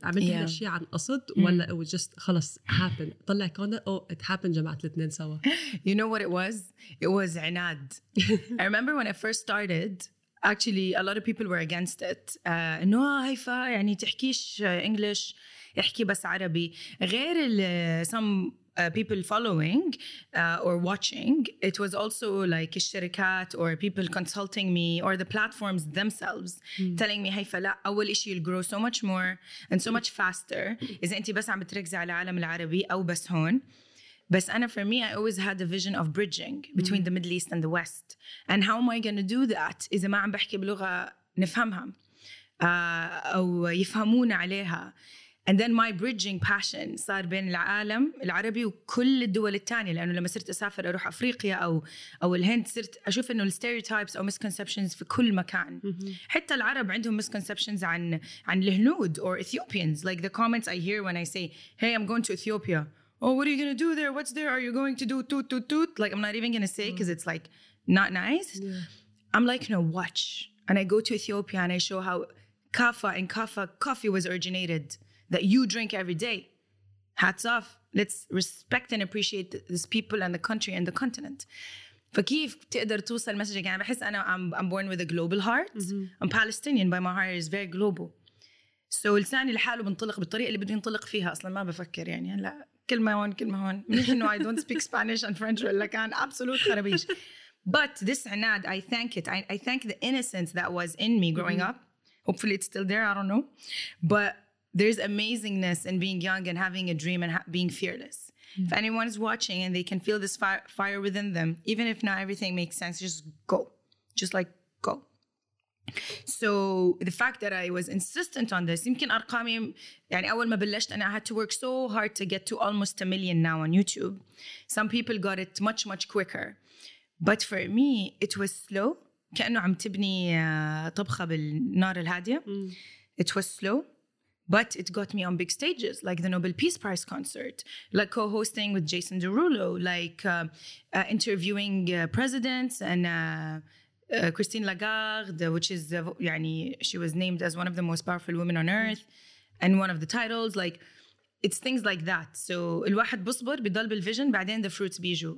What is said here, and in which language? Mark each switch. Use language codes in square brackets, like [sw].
[ar] عملت هذا الشيء عن قصد ولا [en] it was just, [ar] خلص, happen. طلع كونه, [en] it happened [ar] جماعة الاثنين سوا. [en] You know what it was? It was عناد. I remember when I first started, actually, a lot of people were against it. [ar] No, Haifa, يعني تحكيش English, يحكي بس عربي. [en] غير some people following or watching, it was also like الشركات or people consulting me or the platforms themselves telling me, Haifa, لا, [ar] أول إشي [en] you'll grow so much more and so much faster. [ar] إذا أنت بس عم بتركز على عالم العربي أو بس هون. [en] But Anna, for me, I always had a vision of bridging between the Middle East and the West. And how am I going to do that? [ar] إذا ما عم بحكي بلغة نفهمها أو يفهمون عليها. [en] And then my bridging passion [ar] صار بين العالم العربي وكل الدول الثانية. لأنه لما صرت أسافر أروح أفريقيا أو الهند صرت أشوف إنه stereotypes أو misconceptions في كل مكان. حتى العرب عندهم misconceptions عن الهنود [en] or Ethiopians. Like the comments I hear when I say, hey, I'm going to Ethiopia. Oh, what are you going to do there? What's there? Are you going to do toot, toot, toot? Like, I'm not even going to say because it's like not nice. Yeah. I'm like, no, watch. And I go to Ethiopia and I show how kafa and kafa coffee was originated that you drink every day. Hats off. Let's respect and appreciate this people and the country and the continent. [ar] فكيف تقدر توصل مسجك؟ يعني بحس أنا [en] I'm born with a global heart. I'm Palestinian, but my heart is very global. So [ar] لساني لحاله بنطلق بالطريقة اللي بدي ينطلق فيها. أصلاً ما بفكر يعني. كلمة هون منيح إنه [en] I don't speak Spanish and French [ar] ولا كان absolute خربيش. [en] But this عناد I thank it. I thank the innocence that was in me growing up. Hopefully it's still there. I don't know. But there's amazingness in being young and having a dream and being fearless. If anyone is watching and they can feel this fire within them, even if not everything makes sense, just go. Just like go. So the fact that I was insistent on this, [ar] يمكن أرقامي يعني أول ما بلشت أنا [en] I had to work so hard to get to almost a million now on YouTube. Some people got it much, much quicker. But for me, it was slow. [ar] كأنه عم تبني طبخة بالنار الهادية. [en] It was slow. But it got me on big stages, like the Nobel Peace Prize concert, like co-hosting with Jason Derulo, like interviewing presidents and Christine Lagarde, which is, يعني, she was named as one of the most powerful women on earth, and one of the titles, like, it's things like that. [ar] So, الواحد بصبر بيضل بالفيجن, بعدين [en] the fruits [ar] بيجوا.